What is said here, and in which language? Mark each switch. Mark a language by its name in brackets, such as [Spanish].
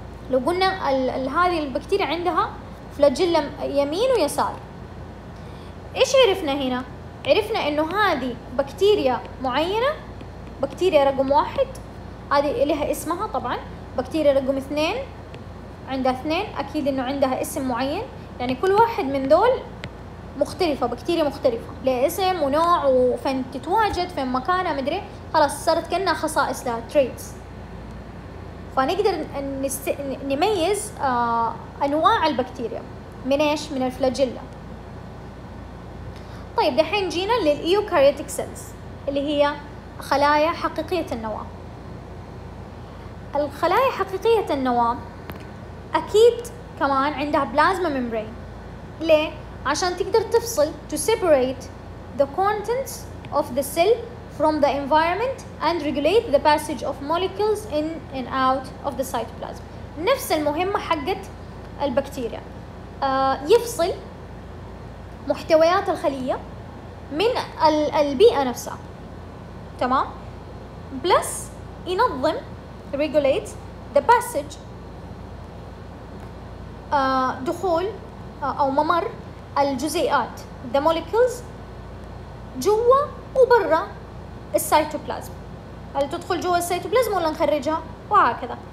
[Arabic] لو قلنا هذه البكتيريا عندها فلاجيلم يمين ويسار، ايش عرفنا هنا؟ عرفنا انه هذه بكتيريا معينة، بكتيريا رقم واحد هذه لها اسمها طبعا، بكتيريا رقم اثنين عندها اثنين اكيد انه عندها اسم معين، يعني كل واحد من دول مختلفة، بكتيريا مختلفة لها اسم ونوع وفين تتواجد فين مكانها مدري، خلاص صارت كأنها خصائص لها traits. فنقدر نميز أنواع البكتيريا من إيش؟ من الفلاجيلا. طيب دحين جينا للإيوكاريوتيك سيلز اللي هي خلايا حقيقية النواة. الخلايا حقيقية النواة أكيد كمان عندها بلازما ميمبرين، ليه؟ عشان تقدر تفصل [English] to separate the contents of the cell from the environment and regulate the passage of molecules in and out of the cytoplasm. [Arabic] نفس المهمة حقت البكتيريا، يفصل محتويات الخلية من البيئة نفسها، تمام، plus ينظم [English] regulate the passage [Arabic] دخول أو ممر الجزيئات [English] the molecules [Arabic] جوا وبرا السيتوبلازم، هل تدخل جوا السيتوبلازم ولا نخرجها وهكذا.